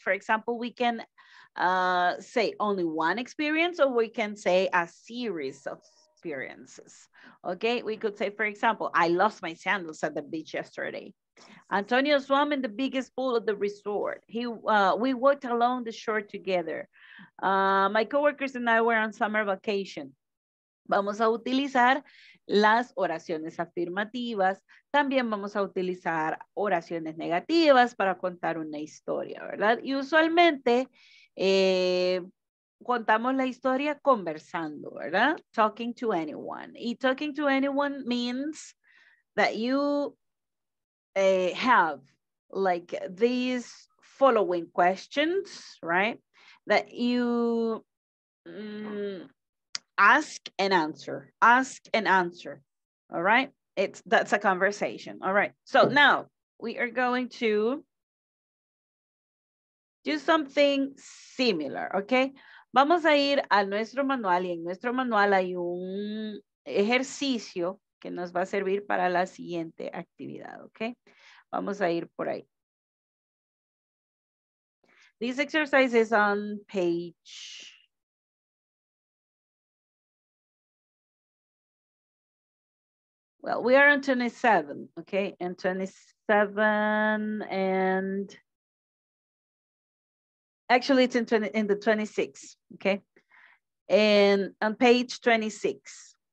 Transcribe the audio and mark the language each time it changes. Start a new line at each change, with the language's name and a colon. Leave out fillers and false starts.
English: For example, we can say only one experience, or we can say a series of experiences, okay? We could say, for example, I lost my sandals at the beach yesterday. Antonio swam in the biggest pool of the resort. We walked along the shore together. My coworkers and I were on summer vacation.
Spanish: Vamos a utilizar las oraciones afirmativas. También vamos a utilizar oraciones negativas para contar una historia, ¿verdad? Y usualmente contamos la historia conversando, ¿verdad?
English: Talking to anyone. Y talking to anyone means that you have like these following questions, right? That you ask and answer, ask and answer. All right. That's a conversation. All right. So now we are going to do something similar. Okay.
Spanish: Vamos a ir a nuestro manual, y en nuestro manual hay un ejercicio que nos va a servir para la siguiente actividad. Okay. Vamos a ir por ahí.
English: This exercise is on page 27, okay, and 27, and actually it's in the 26, okay, and on page 26.